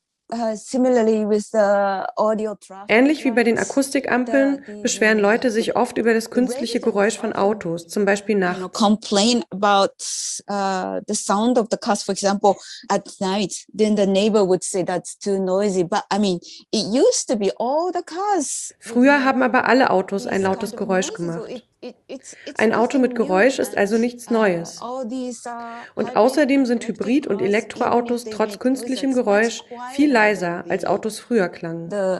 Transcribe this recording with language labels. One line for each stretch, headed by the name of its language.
German: Ähnlich wie bei den Akustikampeln beschweren Leute sich oft über das künstliche Geräusch von Autos, zum Beispiel nachts.
English: Complain about the sound of the cars, for example, at night. Then the neighbor would say that's too noisy. But I mean, it used to be all the cars.
German: Früher haben aber alle Autos ein lautes Geräusch gemacht. Ein Auto mit Geräusch ist also nichts Neues. Und außerdem sind Hybrid- und Elektroautos trotz künstlichem Geräusch viel leiser, als Autos früher klangen.